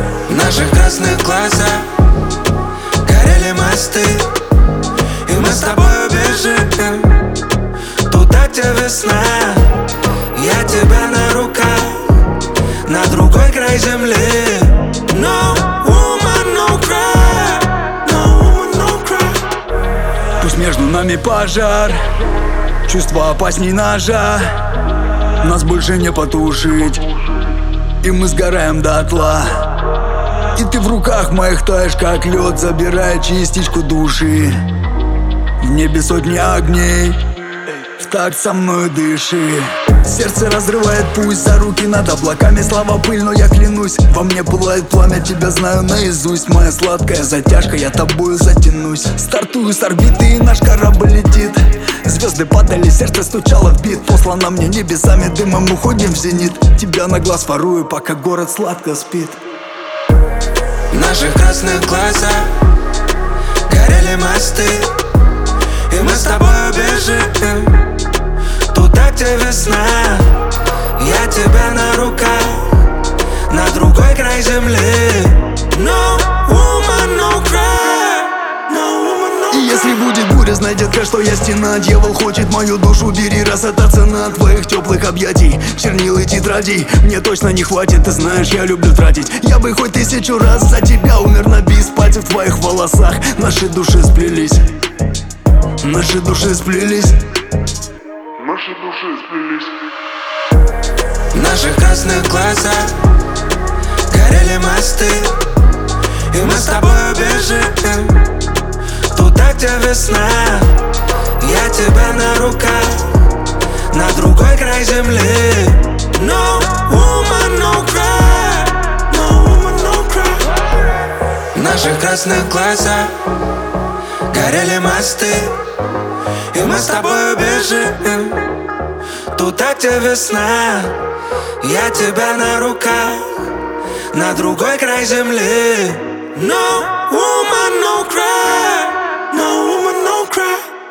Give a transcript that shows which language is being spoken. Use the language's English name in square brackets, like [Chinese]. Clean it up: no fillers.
[Russian] наших красных глазах горели мосты, и мы с тобой убежим туда, где весна. Я тебя на руках на другой край земли. [English] No woman, no cry, no woman, no cry. [Russian] Пусть между нами пожар, чувства опасней ножа. Нас больше не потушить, и мы сгораем дотла. И ты в руках моих таешь, как лед, забирая частичку души. В небе сотни огней, в такт со мной дыши. Сердце разрывает пусть, за руки над облаками слава пыль, но я клянусь, во мне пылает пламя, тебя знаю наизусть. Моя сладкая затяжка, я тобою затянусь. Стартую с орбиты, и наш корабль летит. Звезды падали, сердце стучало в бит. Послано мне небесами дымом, уходим в зенит. Тебя на глаз ворую, пока город сладко спит. В наших красных глазах горели мосты, и мы с тобой убежим туда, где весна. Я тебя на руках на другой край земли. [English] No woman, no cry, no woman, no cry. [Russian] И если будет буря, знай, детка, что я стена. Дьявол хочет мою душу, бери, раз это цена твоих теплых объятий. Чернил и тетради мне точно не хватит. Ты знаешь, я люблю тратить. Я бы хоть тысячу раз за тебя умер на бис. Пальцы в твоих волосах, наши души сплелись. Наши души сплелись. Наши души сплелись. В наших красных глазах горели мосты, и мы с тобой убежим туда, где весна. Я тебя на руках на другой край земли. [English] No woman, no cry, no woman, no cry. [Russian] В наших красных глазах горели мосты, и мы с тобой убежим туда, где весна. Я тебя на руках на другой край земли. [English] No woman, no cry, no woman, no cry.